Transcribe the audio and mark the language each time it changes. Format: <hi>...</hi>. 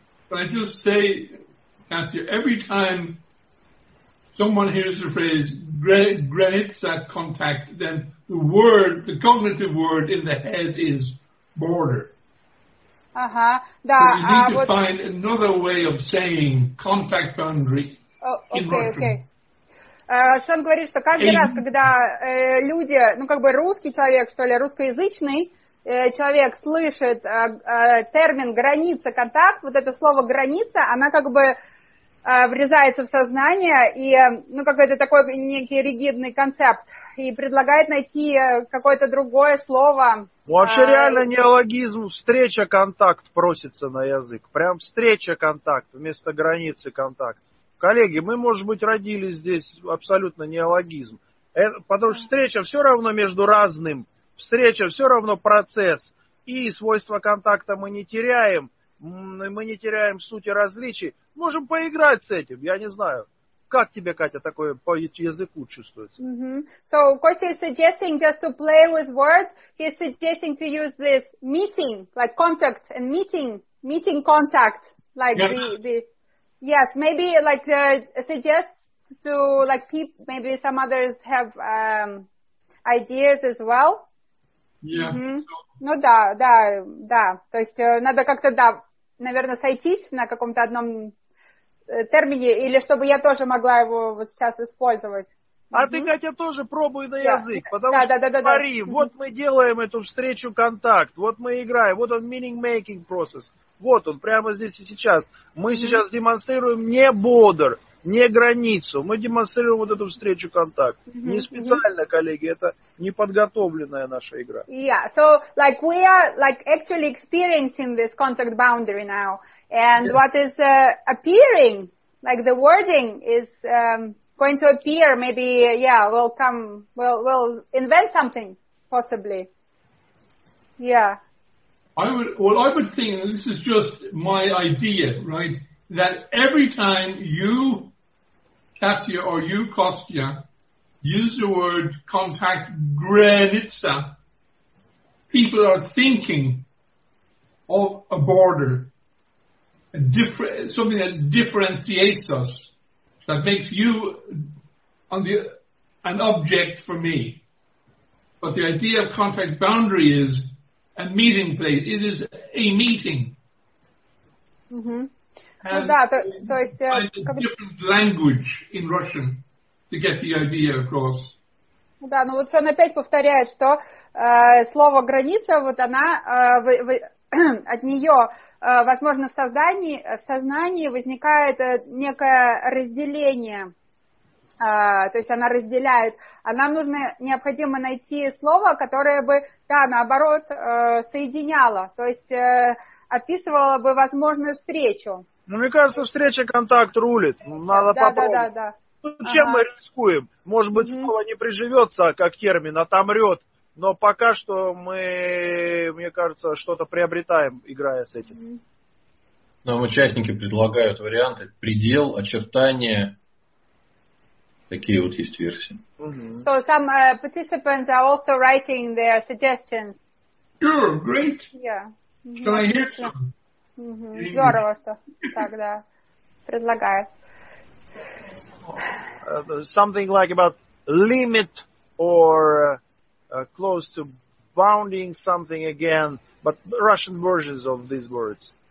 <en>Can I just say, Katya, every time someone hears the phrase granitsa contact, then the word, the cognitive word in the head is border.</en> <ru>Ага, да.</ru> <en>So you need to find another way of saying contact boundary.</en> <ru>Окей. Шон говорит, что каждый раз, когда люди, ну как бы русский человек, что ли, русскоязычный человек слышит термин граница контакт, вот это слово граница, она как бы врезается в сознание, и, ну, какой-то такой некий ригидный концепт, и предлагает найти какое-то другое слово. Вообще реально неологизм, встреча-контакт просится на язык. Прям встреча-контакт вместо границы-контакт. Коллеги, мы, может быть, родили здесь абсолютно неологизм. Потому что встреча все равно между разным. Встреча все равно процесс. И свойства контакта мы не теряем. Мы не теряем сути различий. Можем поиграть с этим, я не знаю. Как тебе, Катя, такое по языку чувствуется?</ru> <en>So, Kostya is suggesting just to play with words. He's suggesting to use this meeting, like contact and meeting contact. Like yes, maybe like suggests to like people, maybe some others have ideas as well. Yeah.</en> <ru>Ну да. То есть надо как-то, да, наверное, сойтись на каком-то одном термине, или чтобы я тоже могла его вот сейчас использовать. А ты, Катя, тоже пробуй на язык, потому что говори, вот мы делаем эту встречу контакт, вот мы играем, вот он meaning-making process, вот он прямо здесь и сейчас. Мы сейчас демонстрируем не border, не границу. Мы демонстрируем вот эту встречу контакт. Mm-hmm. Не специально, коллеги, это неподготовленная наша игра.</ru> <en>Yeah, so like we are like actually experiencing this contact boundary now. And yeah. what is appearing, like the wording is going to appear, maybe, yeah, we'll come, we'll invent something, possibly. Yeah. I would think, and this is just my idea, right, that every time you, Katya, or you, Kostya, use the word contact granica, people are thinking of a border, something that differentiates us, that makes you an object for me. But the idea of contact boundary is a meeting place. It is a meeting. Mm-hmm. And a different language in Russian to get the idea across.</en> <ru>Да, ну вот что он опять повторяет, что слово граница, вот она от нее, возможно, в сознании возникает некое разделение. То есть она разделяет. А нам необходимо найти слово, которое бы, да, наоборот, соединяло. То есть описывало бы возможную встречу. Ну, мне кажется, встреча контакт рулит. Надо попробовать. Да. Ну, чем мы рискуем? Может быть, слово не приживется, как термин, отомрет. Но пока что мы, мне кажется, что-то приобретаем, играя с этим. Нам участники предлагают варианты предел, очертания. Такие вот есть версии. Mm-hmm.</ru> <en>So some participants are also writing their suggestions. Sure, great. Yeah. Mm-hmm. Can I hear some? Mm-hmm.</en> <ru>Здорово, что так, да. Предлагаю.</ru> <en>Something like about limit or close to bounding something again, but Russian versions of these words.</en>